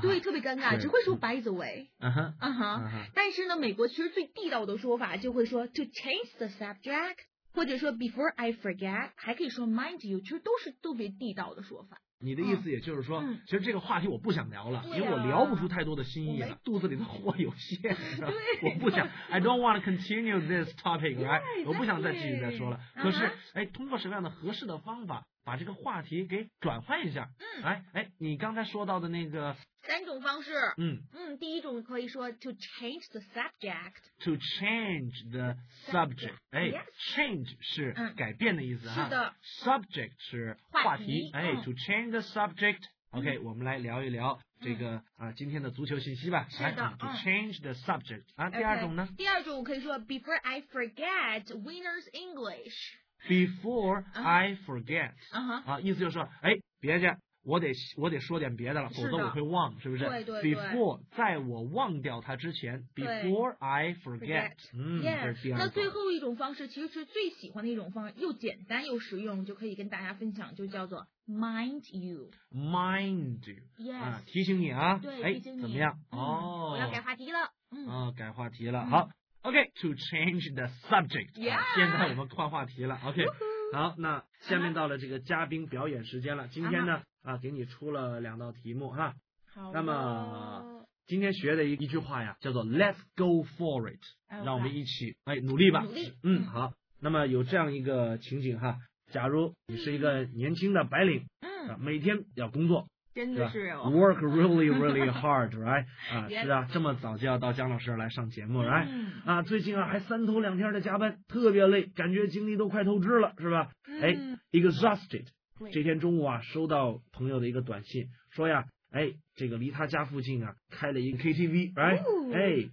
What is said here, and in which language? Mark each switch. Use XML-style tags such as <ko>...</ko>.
<zh>对，特别尴尬，只会说</zh> <en>by the way，</en> <zh>但是呢，美国其实最地道的说法就会说</zh> <en>to change the subject，</en> <zh>或者说</zh> <en>before I forget，</en> <zh>还可以说</zh> <en>mind you，</en> <zh>其实都是特别地道的说法。你的意思也就是说，其实这个话题我不想聊了，啊、因为我聊不出太多的新意了，肚子里的货有限，对，我不想，</zh> <en>I don't want to continue this topic， right？</en> <zh>我不想再继续再说了。可是，哎，通过什么样的合适的方法，把这个话题给转换一下？嗯，哎，你刚才说到的那个三种方式，第一种可以说</zh> <en>to change the subject，to change the subject，</en> <zh>哎 ，change 是改变的意思哈，是的，subject 是话题，</zh> <en>哎 ，to change the subject。</en> <zh>OK，、我们来聊一聊这个今天的足球信息吧。是的，</zh> <en>to change the subject。</en> <zh>啊，第二种呢？ Okay, 第二种可以说</zh> <en>before I forget winners English。 Before I forget，</en> <zh>意思就是说，哎，别介，我得说点别的了，否则我会忘，是不是？对对。 Before 在我忘掉它之前 ，</zh> <en>Before I forget，</en> <zh>这是第二。那最后一种方式，其实是最喜欢的一种方式，又简单又实用，就可以跟大家分享，就叫做</zh> <en>Mind you。 Mind you。 Yes。</en> <zh>提醒你啊。对，提醒你。怎么样？哦。我要改话题了。嗯。改话题了，好。</zh> <en>OK, to change the subject. Yeah.</en> <zh>现在我们换话题了。 OK, 好，那下面到了这个嘉宾表演时间了。今天呢，给你出了两道题目哈。好。那么今天学的一句话呀，叫做</zh> <en>Let's go for it.</en> <zh>让我们一起努力吧。努力。好。那么有这样一个情景哈，假如你是一个年轻的白领，每天要工作。真的是</zh> <en>哦 ，work really really hard， right？ yes.</en> <zh>是啊，这么早就要到姜老师来上节目， right？嗯、最近还三头两天的加班，特别累，感觉精力都快透支了，是吧？</zh> <en>exhausted。</en> <zh>这天中午啊，收到朋友的一个短信，说呀，这个离他家附近啊，开了一个 KTV， right？</zh>